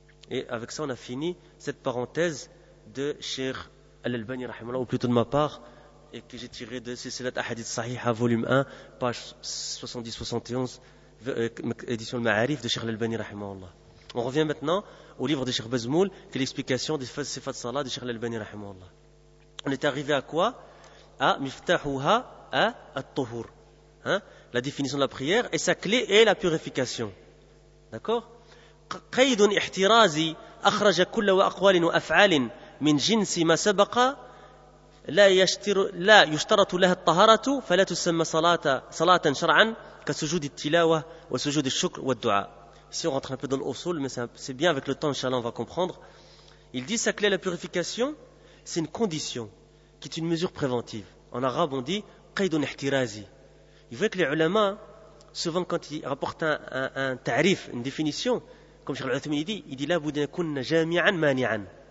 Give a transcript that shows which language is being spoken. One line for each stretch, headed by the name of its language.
French: Et avec ça, on a fini cette parenthèse de Cheikh Al-Albani, rahimahullah, ou plutôt de ma part, et que j'ai tiré de Silsilat Ahadith Sahiha, volume 1, page 70-71, édition de Ma'arif de Cheikh Al-Albani, rahimahullah. On revient maintenant au livre de Cheikh Bazmoul, qui est l'explication des Sifat Salah de Cheikh Al-Albani, rahimahullah. On est arrivé à quoi? À Miftahouha, à At-Tuhur. La définition de la prière, et sa clé est la purification. D'accord?
Arabic: Qaydun ihtirazi, akhraja kulla wa aqwalin wa af'alin min jinsi ma sabaqa, لا يشترط لها الطهارة فلا تسمى صلاة شرعا كسجود التلاوة وسجود الشكر والدعاء.
French: Si on rentre un peu dans l'usul, mais c'est bien avec le temps, inchallah, on va comprendre. Il dit sa clé, la purification, c'est une condition qui est une mesure préventive. En arabe, on dit qaydun ihtirazi. Il voit que les ulama, souvent quand ils rapportent un ta'rif, une définition, comme Cheikh Al-Uthmin dit, il dit
Arabic: laboudin kunna jami'an mani'an.